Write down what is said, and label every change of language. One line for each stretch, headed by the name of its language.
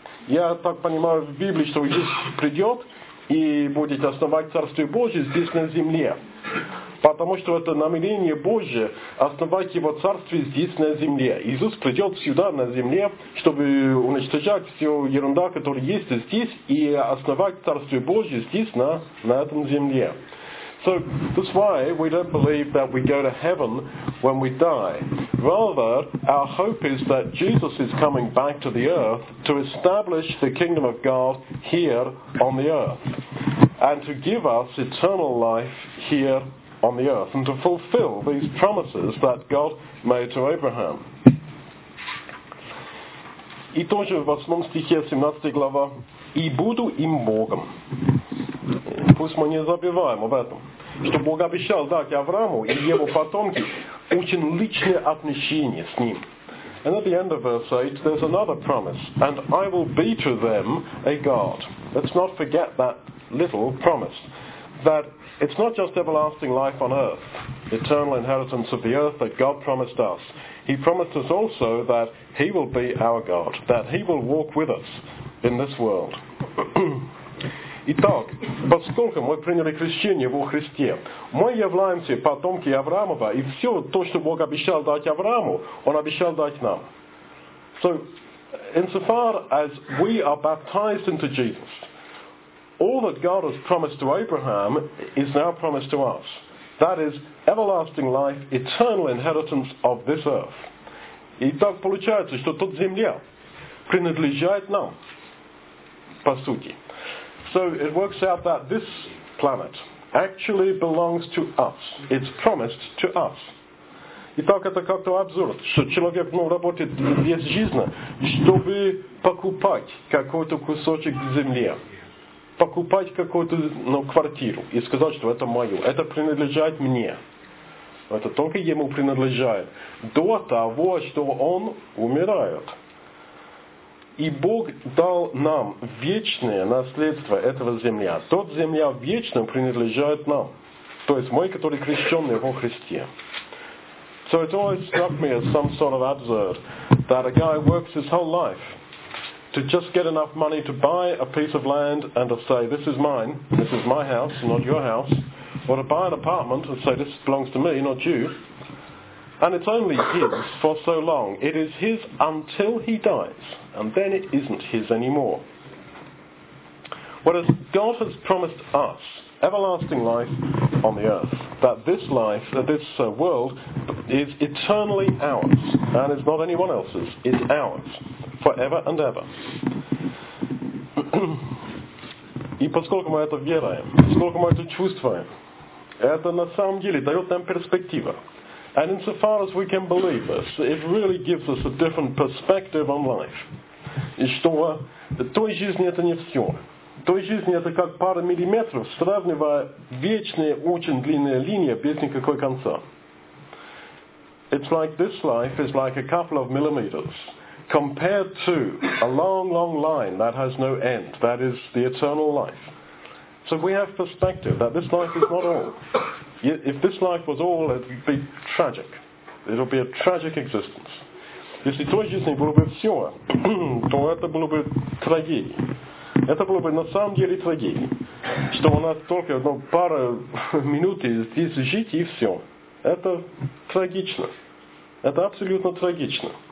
Russian: Я так понимаю в Библии, что здесь придет и будет основать Царствие Божие здесь на земле. Потому что это намерение Божие основать Его Царствие здесь на земле. Иисус придет сюда на земле, чтобы уничтожать всю ерунду, которая есть здесь, и основать Царствие Божие здесь на этом земле.
English: So, that's why we don't believe that we go to heaven when we die. Rather, our hope is that Jesus is coming back to the earth to establish the kingdom of God here on the earth and to give us eternal life here on the earth and to fulfill these promises that God made to Abraham.
Russian: И тоже в 8 стихе 17 глава. И буду им Богом. Пусть мы не забываем об этом. Что Бог обещал дать Аврааму и его потомке очень личное отношение с ним.
English: And at the end of verse 8, there's another promise. And I will be to them a God. Let's not forget that little promise. That it's not just everlasting life on earth, eternal inheritance of the earth that God promised us. He promised us also that he will be our God, that he will walk with us in this world.
Russian: Итак, поскольку мы приняли крещение во Христе, мы являемся потомки Авраамова, и все то, что Бог обещал дать Аврааму, он обещал дать нам.
English: So, insofar as we are baptized into Jesus, all that God has promised to Abraham is now promised to us. That is everlasting life, eternal inheritance of this earth.
Russian: И так получается, что тут земля принадлежит нам, по сути.
English: So it works out that this planet actually belongs to us. It's promised to us.
Russian: И так это как-то абсурд, что человек, ну, работает весь жизнь, чтобы покупать какой-то кусочек земли. Покупать какую-то, ну, квартиру и сказать, что это мое. Это принадлежит мне. Это только ему принадлежит. До того, что он умирает. И Бог дал нам вечное наследство этого земля. Тот земля вечно принадлежит нам. То есть мы, которые крещены во Христе.
English: So it always struck me as some sort of absurd that a guy works his whole life to just get enough money to buy a piece of land and to say, this is mine, this is my house, not your house, or to buy an apartment and say, this belongs to me, not you. And it's only his for so long. It is his until he dies, and then it isn't his anymore. Whereas God has promised us everlasting life on the earth, that this life, that this world is eternally ours, and it's not anyone else's, it's ours. Forever and ever.
Russian: И поскольку мы это веруем, поскольку мы это чувствуем, это на самом деле дает нам перспективу.
English: And insofar as we can believe this, it really gives us a different perspective on life.
Russian: И что в той жизни это не все. В той жизни это как пара миллиметров, сравнивая вечные, очень длинные линии без никакой конца.
English: It's like this life is like a couple of millimeters. Compared to a long, long line that has no end, that is the eternal life. So we have perspective that this life is not all. If this life was all, it would be tragic. It would be a tragic existence.
Russian: Если той жизни было бы все, то это было бы трагедия. Это было бы на самом деле трагедия, что у нас только одно пару минут здесь жить и все. Это трагично. Это абсолютно трагично.